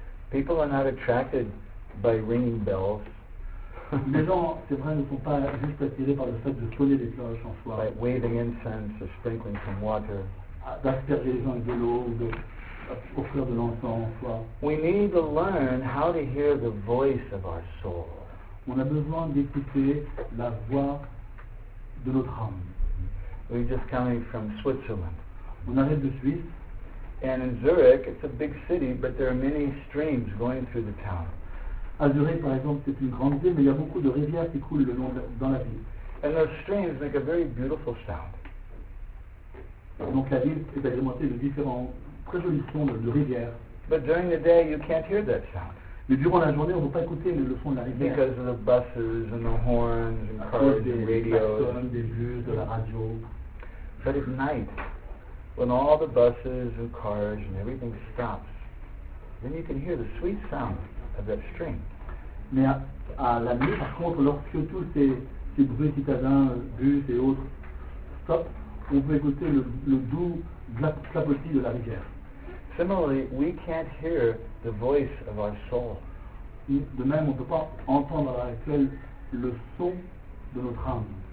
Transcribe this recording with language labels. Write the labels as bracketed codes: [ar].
[en] People are not attracted by ringing bells. [fr] Les gens, c'est vrai, ne sont pas juste attirés par le fait de sonner des cloches en soi. [en] By waving incense or sprinkling some water. [fr] D'asperger les gens de l'eau ou d'offrir de l'encens en soi. [en] We need to learn how to hear the voice of our soul. [fr] On a besoin d'écouter la voix de notre âme. [en] We're just coming from Switzerland. [fr] On arrive de Suisse. [en] And in Zurich, it's a big city, but there are many streams going through the town. [fr] À Zurich, par exemple, c'est une grande ville, mais il y a beaucoup de rivières qui coulent le long dans la ville. [en] And those streams make a very beautiful sound. [fr] Donc la ville est agrémentée de différents très jolis sons de rivières. [en] But during the day, you can't hear that sound. [fr] Mais durant la journée, on ne peut pas écouter le son de la rivière. [en] Because of the buses and the horns and cars and [fr] des [en] radios. [fr] Des bus, de la radio. [en] But at night, when all the buses and cars and everything stops, then you can hear the sweet sound of that stream. [fr] Mais à la nuit, par contre, lorsque tous ces bruits citadins, bus et autres stoppent, on peut écouter le doux clapotis de la rivière. [en] Similarly, we can't hear the voice of our soul. [fr] De même, on ne peut pas entendre à l'heure actuelle le son de notre âme.